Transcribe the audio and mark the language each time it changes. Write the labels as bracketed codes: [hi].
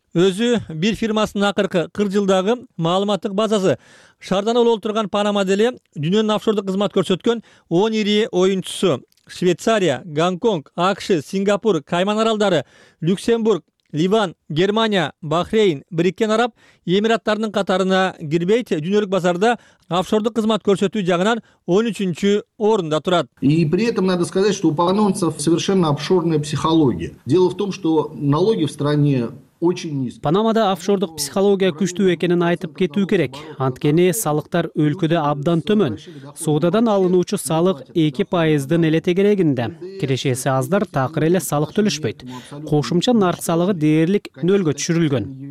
[ky] Өзү бир фирмасынын акыркы 40 жылдагы маалыматтык базасы шаардан улуу турган Панама деле дүйнөнүн офшордук кызмат көрсөткөн 10 ири оюнчусу: Швейцария, Гонконг, АКШ, Сингапур, Кайман аралдары, Люксембург, Ливан, Германия, Бахрейн, Бириккен Араб Эмираттарынын катарына кирбейт. Дүйнөлүк базарда офшордук кызмат көрсөтүү жагынан 13-чү орунда турат. [ru] И при этом надо сказать, что у панамцев совершенно офшорная психология. Дело в том, что налоги в стране [ky] Панамада офшордук психология күчтүү экенин айтып кетүү керек. Анткени салыктар өлкөдө абдан төмөн. Соодадан алынуучу салык 2%дын эле тегерегинде. Кирешеси аздар, такыр эле салык төлөшпөйт. Кошумча нарк салыгы дээрлик нөлгө түшүрүлгөн.